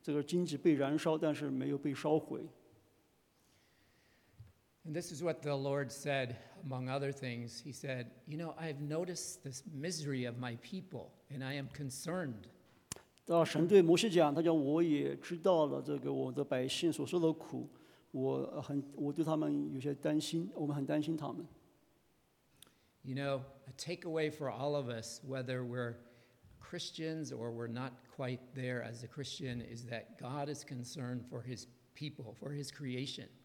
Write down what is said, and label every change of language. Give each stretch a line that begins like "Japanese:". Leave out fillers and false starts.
Chinese: 就是神通过这个燃烧的荆棘呢，得到了那个摩西的这个注意力。这个荆棘被燃烧，但是没有被烧毁。
English: And this is what the Lord said, among other things. He said, you know, I've noticed this misery of my people, and I am concerned.
Chinese: 神对摩西讲，他讲我也知道了这个我的百姓所受的苦，我对他们有些担心，我们很担心他们。
English: You know, a takeaway for all of us, whether we're Christians or we're not quite there as a Christian, is that God is concerned for his people, for his creation.